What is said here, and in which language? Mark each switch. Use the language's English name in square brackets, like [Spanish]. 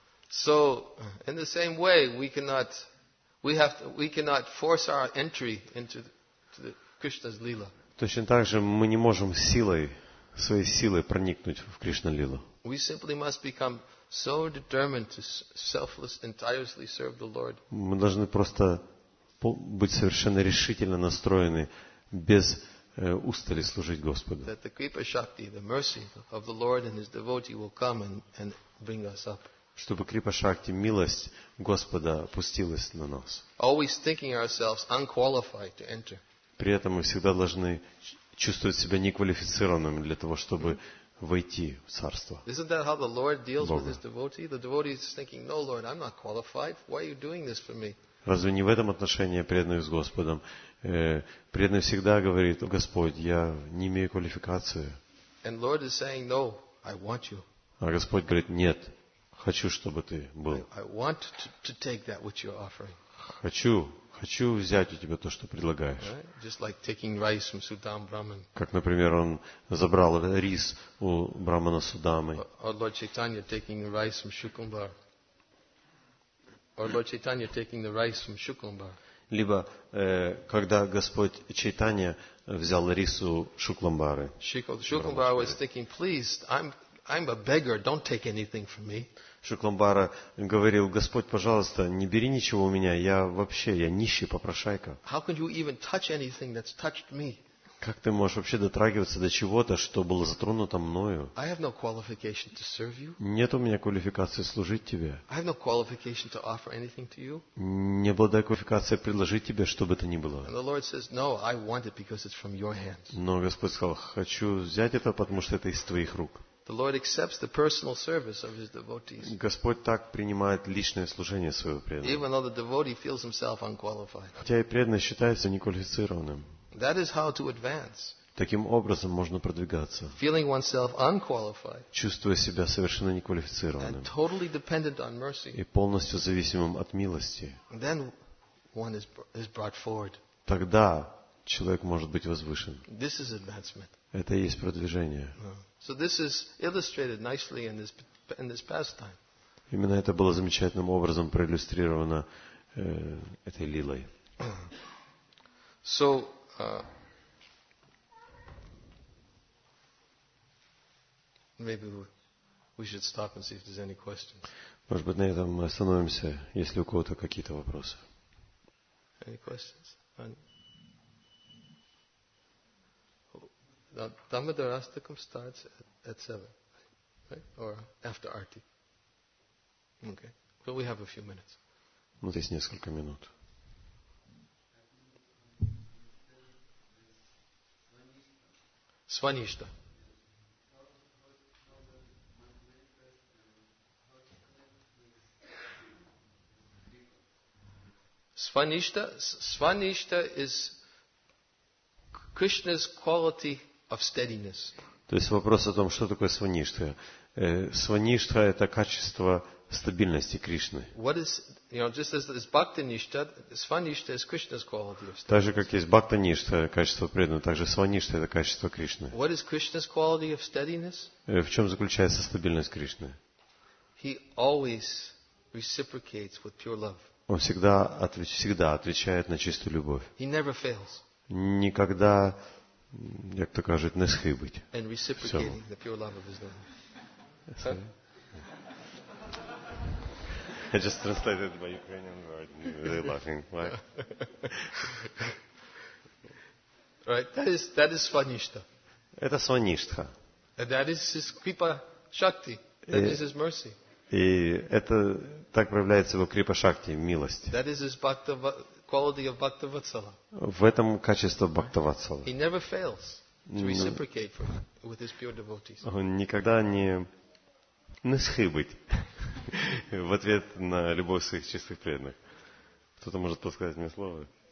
[English] So, in the same way, we cannot force our entry into the Krishna's lila. [Russian] Точно так же мы не можем силой, своей силой проникнуть в Кришна-лилу. [English] We simply must become so determined to selfless and tirelessly serve the Lord. [Russian] Мы должны просто быть совершенно решительно настроены без устали служить Господу. [English] That the Kripa Shakti, the mercy of the Lord and His devotee will come and bring us up. [Russian] Чтобы Крипа Шакти, милость Господа, опустилась на нас. [English] Always thinking ourselves unqualified to enter. [Russian] При этом мы всегда должны чувствовать себя неквалифицированными для того, чтобы войти в Царство. [English] Isn't that how the Lord deals [Russian] Бога. [English] With His devotee? The devotee is thinking, no, Lord, I'm not qualified. Why are you doing this for me? [Russian] Разве не в этом отношении преданный с Господом? Преданный всегда говорит, Господь, я не имею квалификации. [English] And Lord is saying, no, I want you. [Russian] А Господь говорит, нет. Хочу, чтобы ты был. [English] I want to take that which you're offering. [Russian] Хочу взять у тебя то, что предлагаешь. [English] Right? Just like taking rice from Sudam Brahman. [Russian] Как, например, он забрал рис у Брахмана Судамы. [English] Or Lord Chaitanya taking the rice from Shukumbhar. Or Lord Chaitanya taking the rice from Shukumbhar. [Russian] Либо когда Господь Чайтанья взял рис у Шукламбары. [English] Shukumbhar was thinking, please, I'm a beggar, don't take anything from me. [Russian] Шукламбара говорил, Господь, пожалуйста, не бери ничего у меня, я нищий попрошайка. [English] How can you even touch anything that's touched me? [Russian] Как ты можешь вообще дотрагиваться до чего-то, что было затронуто мною? [English] I have no qualification to serve you. [Russian] Нет у меня квалификации служить тебе. [English] I have no qualification to offer anything to you. [Russian] Не обладаю квалификацией предложить тебе, что бы то ни было. [English] And the Lord says, no, I want it because it's from your hands. [Russian] Но Господь сказал, хочу взять это, потому что это из твоих рук. [English] The Lord accepts the personal service of his devotees. [Russian] Господь так принимает личное служение своего преданного. [English] Even though the devotee feels himself unqualified. [Russian] Хотя и преданный считается неквалифицированным. [English] That is how to advance. [Russian] Таким образом можно продвигаться. [English] Feeling oneself unqualified. [Russian] Чувствуя себя совершенно неквалифицированным. [English] And totally dependent on mercy. [Russian] И полностью зависимым от милости. [English] Then one is brought forward. [Russian] Тогда человек может быть возвышен. [English] This is advancement. [Russian] Это и есть продвижение. [English] So this is illustrated nicely in this pastime. [Russian] Именно это было замечательным образом проиллюстрировано этой лилой. [English] So maybe we should stop and see if there's any questions. [Russian] Может быть, на этом мы остановимся, если у кого-то какие-то вопросы. [English] Any questions? Dhammadharastakam starts at 7, right? Or after arti. Okay. But we have a few minutes. [Russian] Ну, здесь несколько минут. Сваништа. [English] Сваништа. Сваништа is Krishna's quality of steadiness. [Russian] То есть вопрос о том, что такое сваништа. Сваништа — это качество стабильности Кришны. [English] What is, you know, just as is bhakti-nishta, сваништа is Krishna's quality of steadiness. [Russian] Так же, как есть бхакта-ништа, качество преданного, так же сваништа — это качество Кришны. [English] What is Krishna's quality of steadiness? [Russian] В чем заключается стабильность Кришны? [English] He always reciprocates with pure love. [Russian] Он всегда отвечает на чистую любовь. [English] He never fails. [Russian] Никогда, [Ukrainian] как то кажут, не схибить. [English] And reciprocating the pure love of his love. I just translated my Ukrainian word. They're laughing. Why? Right. That is svanishta. [Russian] Это сваништа. [English] And that is his kripa shakti. That is his mercy. [Russian] И это так проявляется его крипа шакти, милость. [English] That is his bhakta. Quality of bhakta vatsala. [Russian] В этом качество бхакта ватсала. [English] He never fails to reciprocate with his pure devotees. [Russian] Он никогда не схибить в ответ на любовь своих чистых преданных. Кто-то может подсказать мне слово?